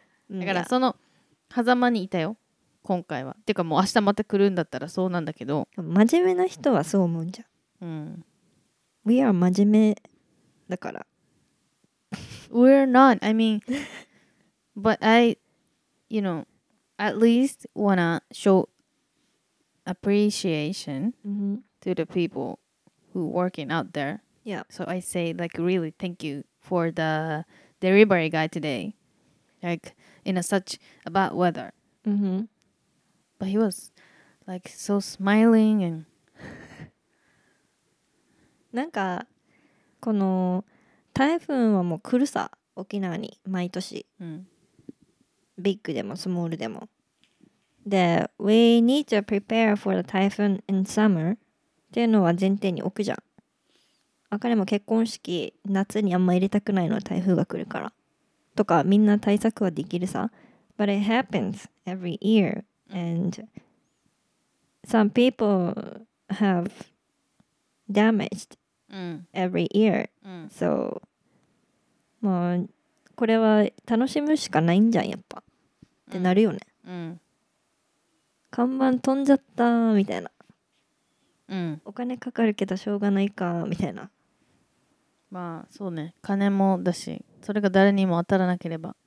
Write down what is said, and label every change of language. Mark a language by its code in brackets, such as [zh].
[ja] だからその狭間にいたよ、今回は。てかもう明日また来るんだったらそうなんだけど。真面目な人はそう思うんじゃん。うん。 [en] We are [ja] 真面目だから。 [en] We're not, I mean, but I, you know, at least wanna show appreciation、 mm-hmm. to the people. Who working out there? Yeah. So I say like really thank you for the delivery guy today, like in a such a bad weather. Mhm. But he was like so smiling and. [ja] なんかこの台風はもう来るさ沖縄に毎年。うん。ビッグでもスモールでも。 [en] で、we need to prepare for the typhoon in summer. [ja] っていうのは前提に置くじゃん。あかりも結婚式夏にあんま入れたくないの台風が来るからとかみんな対策はできるさ。 [en] But it happens every year and some people have damaged every year. [ja] So まあこれは楽しむしかないんじゃんやっぱってなるよね。うん。看板飛んじゃったみたいな。うん、お金かかるけどしょうがないかみたいな。まあそうね、金もだし、それが誰にも当たらなければ、